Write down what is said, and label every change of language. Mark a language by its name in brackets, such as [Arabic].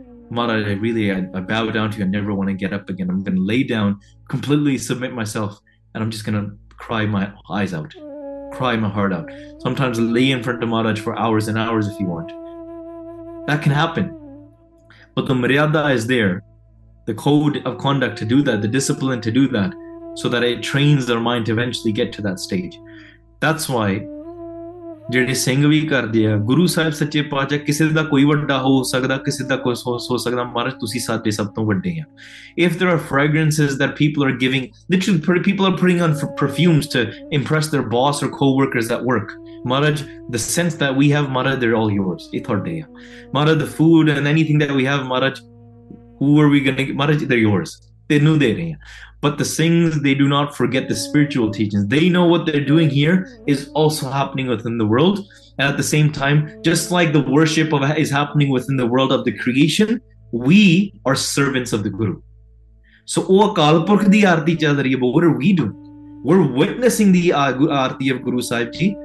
[English] Maharaj, I bow down to you. I never want to get up again. I'm going to lay down, completely submit myself, and I'm just going to cry my eyes out, cry my heart out. Sometimes lay in front of Maharaj for hours and hours if you want. That can happen. But the maryada is there, the code of conduct to do that, the discipline to do that, so that it trains their mind to eventually get to that stage. That's why [Punjabi] ਜਿਹੜੇ ਸਿੰਘ ਵੀ ਕਰਦੇ ਆ, ਗੁਰੂ ਸਾਹਿਬ ਸੱਚੇ ਪਾਤਸ਼ਾਹ ਕਿਸੇ ਦਾ ਕੋਈ ਵੱਡਾ ਹੋ ਸਕਦਾ, ਕਿਸੇ ਦਾ ਕੋਈ ਹੋ ਸਕਦਾ, ਮਹਾਰਾਜ ਤੁਸੀਂ ਸਾਡੇ ਸਭ ਤੋਂ ਵੱਡੇ ਆ। [English] if there are fragrances that people are giving, literally people are putting on perfumes to impress their boss or coworkers at work, Maharaj the sense that we have Maharaj they're all yours, [Punjabi] ਇਹ ਤੁਹਾਡੇ ਆ। [English] Maharaj the food and anything that we have Maharaj, who are we going, Maharaj they're yours, [Punjabi] ਤੈਨੂੰ ਦੇ ਰਹੇ ਆ। [English] But the Singhs, they do not forget the spiritual teachings. They know what they're doing here is also happening within the world. And at the same time, just like the worship of is happening within the world of the creation, we are servants of the Guru. So, oh, [Punjabi] Akal Purakh di Aarti chal rahi hai, [English] but what are we doing? We're witnessing the Aarti of Guru Sahib Ji.